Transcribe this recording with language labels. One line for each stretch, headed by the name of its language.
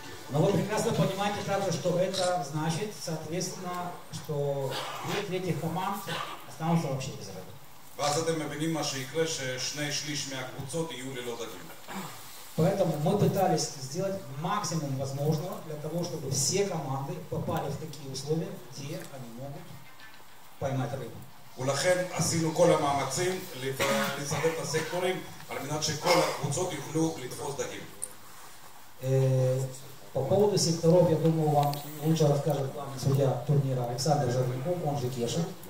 Russian: Но вы прекрасно понимаете также, что это значит, соответственно, что две трети команд останутся вообще без работы. Поэтому мы пытались сделать максимум возможного для того, чтобы все команды попали в такие условия, где они могут поймать рыбу.
Hebrew: ולכן עשינו כל המאמצים לסדר את הסקטורים על מנת שכל הקבוצות יוכלו לתפוס דגים.
Russian: По поводу секторов, я думаю, вам лучше расскажет главный судья турнира Александр Жарников, он же Кеша.